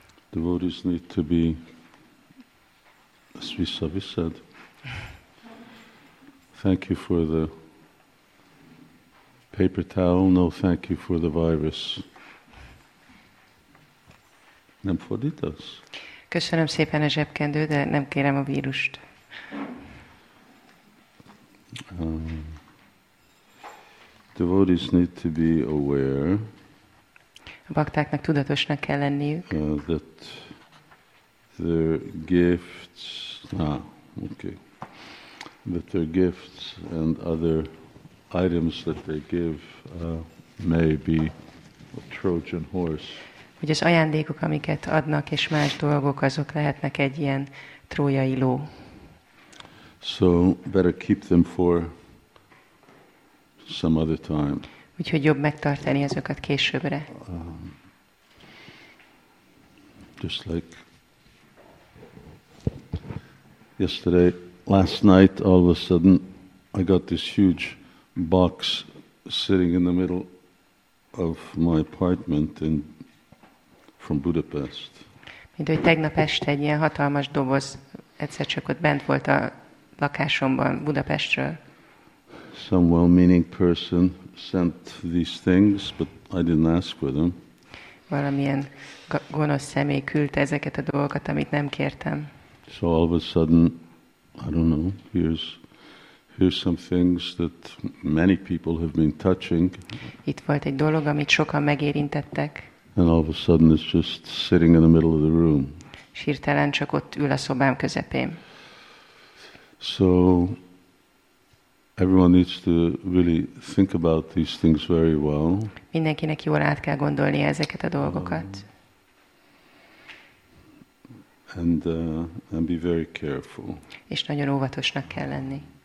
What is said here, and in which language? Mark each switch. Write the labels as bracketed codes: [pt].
[en] Devotees need to be, as Visavi said, thank you for the paper towel, no thank you for the virus. [hu] Nem fordítasz? Köszönöm szépen a zsebkendő, de nem kérem a vírust. [en] Devotees need to be aware. [hu] A baktáknak tudatosnak kell lenniük. [en] That their gifts, that their gifts and other items that they give may be a Trojan horse. [hu] Hogy az ajándékok, amiket adnak és más dolgok, azok lehetnek egy ilyen trójai ló. [en] So better keep them for some other time. [hu] Úgyhogy jobb megtartani ezeket későbbre. [en] Just like yesterday, last night, all of a sudden, I got this huge box sitting in the middle of my apartment in from Budapest. [hu] Mint hogy tegnap este egy ilyen hatalmas doboz egyszer csak ott bent volt a lakásomban Budapestről. [en] Some well-meaning person sent these things, but I didn't ask for them. [hu] Valamilyen gonosz személy küldte ezeket a dolgokat, amit nem kértem. [en] So all of a sudden, I don't know, here's some things that many people have been touching. [hu] Itt volt egy dolog, amit sokan megérintettek. [en] And all of a sudden it's just sitting in the middle of the room. [hu] És hirtelen csak ott ül a szobám közepén. [en] So everyone needs to really think about these things very well. [hu] Mindenkinek jól át kell gondolni ezeket a dolgokat. [en] And be very careful. [hu] És nagyon óvatosnak kell lenni.